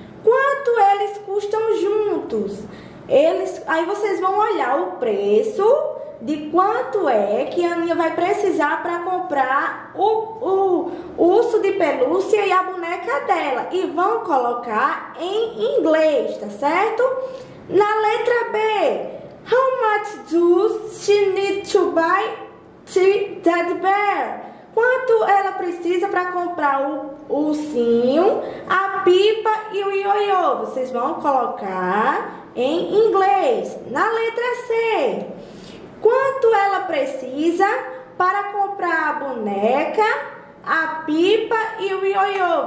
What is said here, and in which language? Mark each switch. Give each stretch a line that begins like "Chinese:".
Portuguese: Quanto eles custam juntos? Aí vocês vão olhar o preço de quanto é que a Aninha vai precisar para comprar o urso de pelúcia e a boneca dela. E vão colocar em inglês, tá certo? Na letra B,
English: how much does she need to buy the teddy bear?
Portuguese: Quanto ela precisa para comprar o ursinho, a pipa e o ioiô? Vocês vão colocar em inglês. Na letra C, quanto ela precisa para comprar a boneca, a pipa e o ioiô?